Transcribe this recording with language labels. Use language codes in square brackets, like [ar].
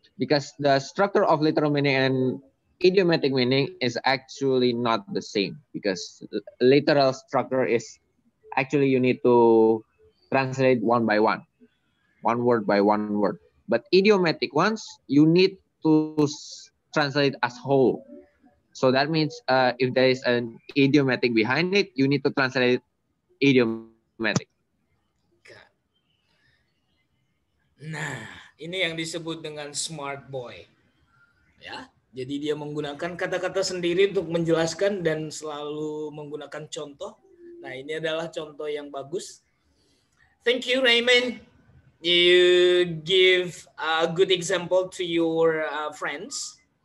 [en] Because the structure of literal meaning and idiomatic meaning is actually not the same, because literal structure is actually you need to translate one by one. One word by one word, but idiomatic ones you need to translate as whole. So that means if there is an idiomatic behind it, you need to translate it idiomatic. [id] Nah, ini yang disebut dengan [en] smart boy, [id] ya. Jadi dia menggunakan kata-kata sendiri untuk menjelaskan dan selalu menggunakan contoh. Nah, ini adalah contoh yang bagus. [en] Thank you, [id] Raymond. [en] you give a good example to your friends.